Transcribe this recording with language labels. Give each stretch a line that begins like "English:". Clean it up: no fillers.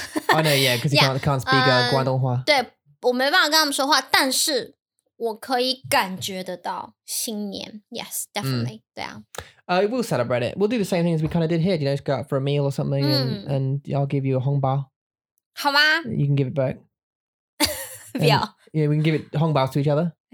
English: I know, yeah, because you can't speak 广东话。
Chinese: 对我没办法跟他们说话但是我可以感觉得到新年。
English: Yes, definitely.、
Chinese: 对啊。
English: We'll celebrate it. We'll do the same thing as we kind of did here. You know, just go out for a meal or something and I'll give you a 红包。
Chinese: 好吗
English: You can give it back.
Chinese: 不要。
English: And, yeah, we can give it 红包 to each other.